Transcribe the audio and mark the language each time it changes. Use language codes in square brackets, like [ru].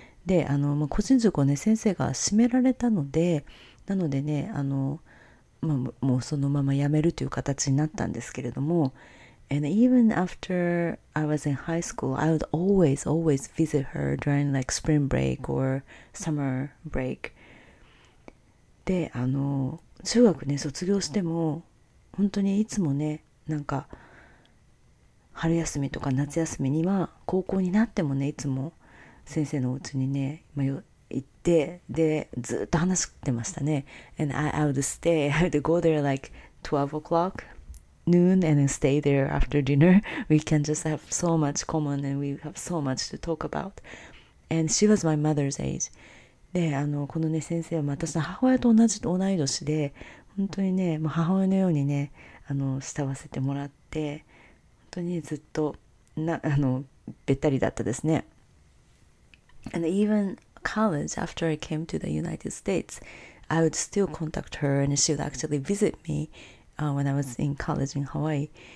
[ja] で、個人塾をね先生が閉められたので、なのでね、もうそのまま辞めるという形になったんですけれども、 [en] And even after I was in high school, I would always visit her during like spring break or summer break. [ja] で、中学ね卒業しても本当にいつもね、なんか春休みとか夏休みには高校になってもね、いつも先生のお家にね、行って、でずっと話してましたね。 [en] And I would go there like 12 o'clock noon and then stay there after dinner. We can just have so much common and we have so much to talk about. And she was my mother's age. [ja] で、このね先生は私の母親と同い年で、本当にね、母親のようにね慕わせてもらって、本当にずっとべったりだったですね。 [en] And even college, after I came to the United States, I would still contact her and she would actually visit me when I was in college in Hawaii.